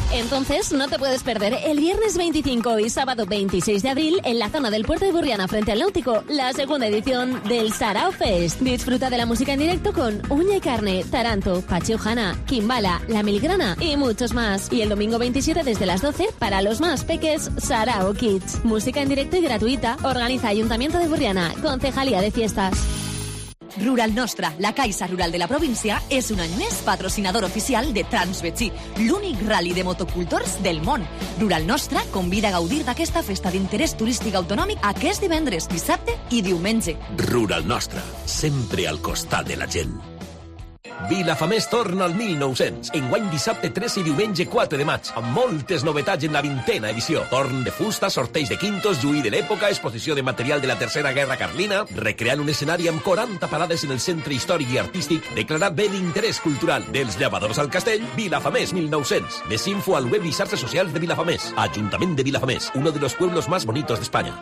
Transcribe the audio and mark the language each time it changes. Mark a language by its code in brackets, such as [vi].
[es] Entonces no te puedes perder el viernes 25 y sábado 26 de abril en la zona del puerto de Burriana frente al Náutico, la segunda edición del Sarao Fest. Disfruta de la música en directo con Uña y Carne, Taranto, Pacho Jana, Kimbala, La Milgrana y muchos más. Y el domingo 27 desde las 12 para los más peques, Sarao Kids. Música en directo y gratuita. Organiza Ayuntamiento de Burriana, Concejalía de Fiestas. [ca] Rural Nostra, la Caixa Rural de la província, és un any més patrocinador oficial de Transvetxí, l'únic rally de motocultors del món. Rural Nostra convida a gaudir d'aquesta festa d'interès turístic autonòmic aquest divendres, dissabte i diumenge. Rural Nostra, sempre al costat de la gent. Vilafamés torna al 1900. Enguany dissabte 3 i diumenge 4 de maig, amb moltes novetats en la 20a edició. Torn de fusta, sorteig de quintos, juí de l'època, exposició de material de la Tercera Guerra Carlina, recreant un escenari amb 40 parades en el centre històric i artístic, declarat bé d'interès cultural. Dels Llevadors al Castell, Vilafamés 1900. Més info al web i xarxes socials de Vilafamés. [es] Ajuntament de Vilafamés, uno de los pueblos más bonitos de España.